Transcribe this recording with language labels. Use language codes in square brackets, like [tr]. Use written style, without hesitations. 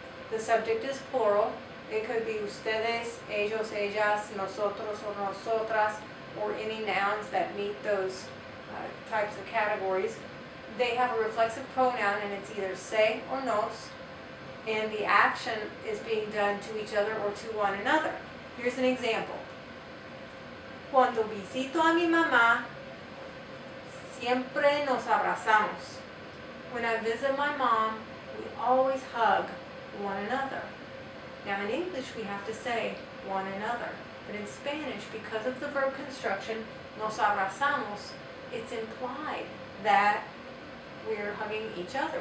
[en] The subject is plural. It could be ustedes, ellos, ellas, nosotros, or nosotras, or any nouns that meet those types of categories. They have a reflexive pronoun, and it's either se or nos, and the action is being done to each other or to one another. Here's an example. [es] Cuando visito a mi mamá, siempre nos abrazamos. [en] When I visit my mom, we always hug one another. Now in English, we have to say one another. But in Spanish, because of the verb construction, [es] nos abrazamos, [en] it's implied that we're hugging each other.